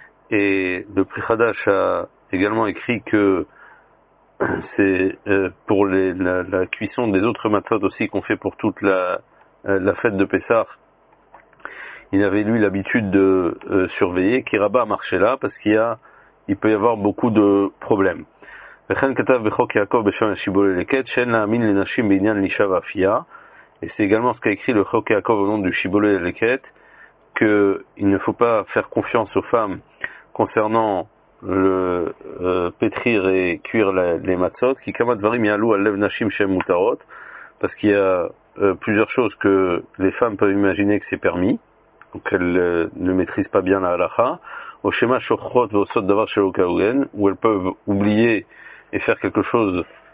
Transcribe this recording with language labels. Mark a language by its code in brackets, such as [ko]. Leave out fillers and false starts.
[fr] Et le pri chadash a également écrit que c'est pour la cuisson des autres matzot aussi qu'on fait pour toute la fête de pesach. Il avait lui l'habitude de surveiller qui rabba marchait là parce qu'il y a il peut y avoir beaucoup de problèmes. [he] וכן כתב בחוק יעקב בשם השיבולי לקט שאין להאמין לנשים בעניין לישה ואפייה. [fr] Et c'est également ce qu'a écrit le חוק יעקב au nom du שיבולי לקט, que il ne faut pas faire confiance aux femmes concernant le pétrir et cuire les matzot, qui [he] כמה דברים יעלו על לב נשים שהן מותרות, [fr] parce qu'il y a plusieurs choses que les femmes peuvent imaginer que c'est permis, qu'elles ne maîtrisent pas bien la halakha, au schéma [he] shochrot vosot davar shelo kaugen, [fr] où elles peuvent oublier et faire quelque chose